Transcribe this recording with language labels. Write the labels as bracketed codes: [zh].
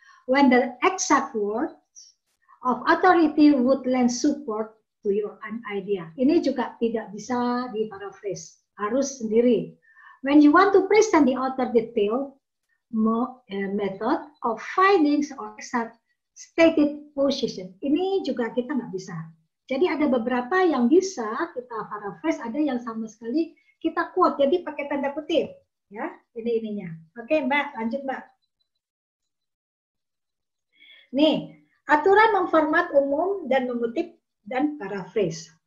[en] When the exact word of authority would lend support to your own idea. [id] Ini juga tidak bisa di paraphrase, harus sendiri. [en] When you want to present the author detail, method of findings or exact stated position. [id] Ini juga kita nggak bisa. Jadi ada beberapa yang bisa kita paraphrase, ada yang sama sekali kita quote, jadi pakai tanda kutip. Ya, ini ininya. Oke, Mbak, lanjut, Mbak. Nih, aturan memformat umum dan mengutip dan paraphrase.